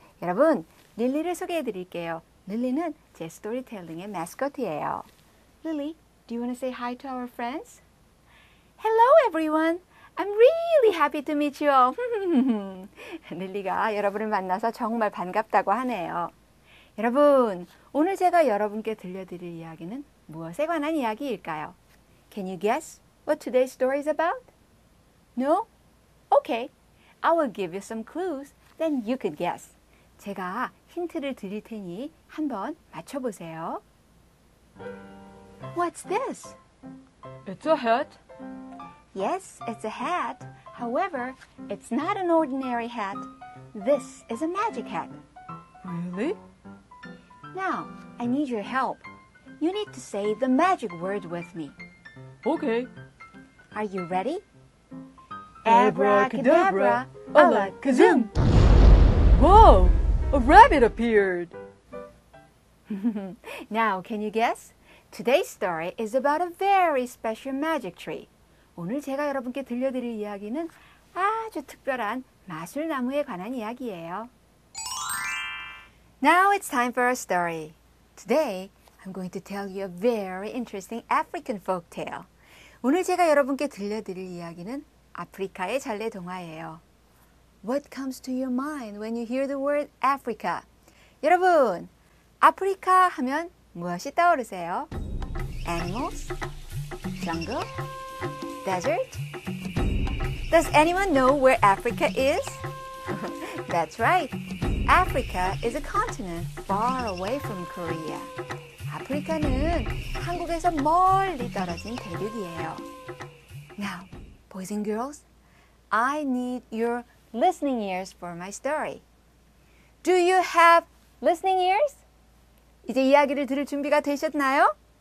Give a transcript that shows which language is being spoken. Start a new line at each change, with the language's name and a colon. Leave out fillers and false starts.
Korean: 여러분, 릴리를 소개해드릴게요. 릴리는 제 스토리텔링의 마스코트예요.
English: Lily, do you want to say hi to our friends? Hello, everyone. I'm really happy to meet you all.
Korean: 릴리가 여러분을 만나서 정말 반갑다고 하네요. 여러분, 오늘 제가 여러분께 들려드릴 이야기는 무엇에 관한 이야기일까요?
English: Can you guess what today's story is about? No? Okay. I will give you some clues, then you can guess.
Korean: 제가 힌트를 드릴 테니 한번 맞춰보세요.
English: What's this? It's a hat. Yes, it's a hat. However, it's not an ordinary hat. This is a magic hat. Really? Now, I need your help. You need to say the magic word with me. Okay. Are you ready? Abracadabra, alakazoom! Whoa! A rabbit appeared! Now, can you guess? Today's story is about a very special magic tree.
Korean: 오늘 제가 여러분께 들려드릴 이야기는 아주 특별한 마술나무에 관한 이야기예요.
English: Now it's time for a story. Today, I'm going to tell you a very interesting African folk tale.
Korean: 오늘 제가 여러분께 들려드릴 이야기는 아프리카의 전래 동화예요.
English: What comes to your mind when you hear the word Africa?
Korean: 여러분, 아프리카 하면 무엇이 떠오르세요?
English: Animals? Jungle? Desert? Does anyone know where Africa is? That's right. Africa is a continent far away from Korea.
Korean: 아프리카는 한국에서 멀리 떨어진 대륙이에요.
English: Now, boys and girls, I need your listening ears for my story. Do you have listening ears?
Korean: 이제 이야기를 들을 준비가 되셨나요?